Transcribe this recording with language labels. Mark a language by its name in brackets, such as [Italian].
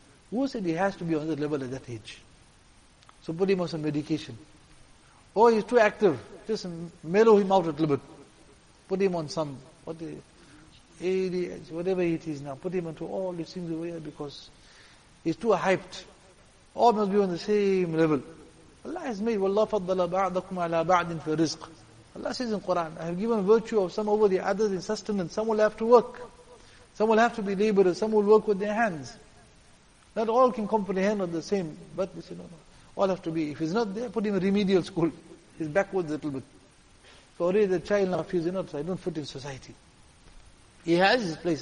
[English] Who said he has to be on that level at that age? So put him on some medication. Oh, he's too active. Just mellow him out a little bit. Put him on some, what is ADH, whatever it is now. Put him into all these things over here because he's too hyped. All must be on the same level. Allah has made, [Arabic] وَاللَّهُ فَضَّلَ بَعْضَكُمْ عَلَىٰ بَعْدٍ فِي الرِّزْقِ. [English] Allah says in Quran, I have given virtue of some over the others in sustenance. Some will have to work. Some will have to be laborers. Some will work with their hands. Not all can comprehend on the same, but they say, no. All have to be. If he's not there, put him in remedial school. He's backwards a little bit. So already the child now feels, enough, so I don't fit in society. He has his place.